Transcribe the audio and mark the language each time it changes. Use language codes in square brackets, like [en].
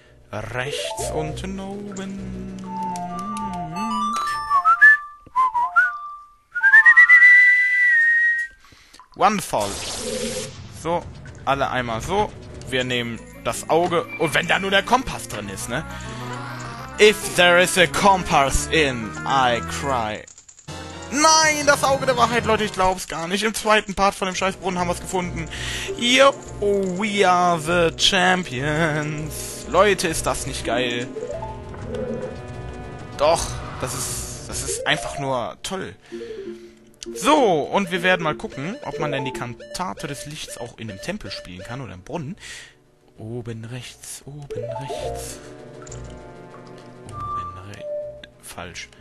[de] Rechts unten oben. [en] One fall. [de] So, alle einmal so. Wir nehmen das Auge. Und wenn da nur der Kompass drin ist, ne? [en] If there is a compass in, I cry. [de] Nein, das Auge der Wahrheit, Leute, ich glaub's gar nicht. Im zweiten Part von dem Scheißbrunnen haben wir's gefunden. [en] Yup, oh, we are the champions. [de] Leute, ist das nicht geil. Doch, das ist einfach nur toll. So, und wir werden mal gucken, ob man denn die Kantate des Lichts auch in dem Tempel spielen kann oder im Brunnen. Oben rechts, oben rechts. Oben rechts. Falsch.